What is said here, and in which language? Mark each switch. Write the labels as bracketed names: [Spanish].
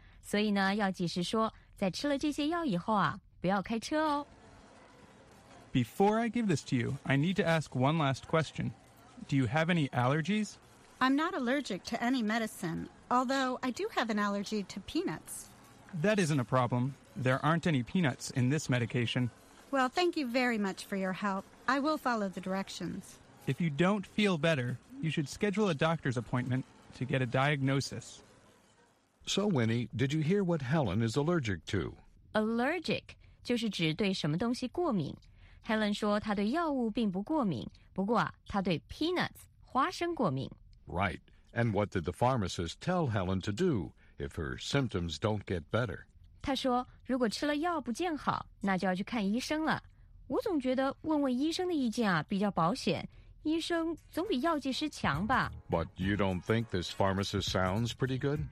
[Chinese] 所以呢药剂师说在吃了这些药以后啊不要开车哦。 [English] Before I give this to you, I need to ask one last question. Do you have any allergies? I'm not allergic to any medicine, although I do have an allergy to peanuts. That isn't a problem. There aren't any peanuts in this medication. Well, thank you very much for your help. I will follow the directions. If you don't feel better, you should schedule a doctor's appointment to get a diagnosis. So, Winnie, did you hear what Helen is allergic to? [Chinese] Allergic 就是指对什么东西过敏。Helen 说她对药物并不过敏，不过啊，她对 peanuts 花生过敏。 [English] Right. And what did the pharmacist tell Helen to do if her symptoms don't get better? [Chinese] 她说，如果吃了药不见好，那就要去看医生了。我总觉得问问医生的意见啊比较保险，医生总比药剂师强吧。 [English] But you don't think this pharmacist sounds pretty good?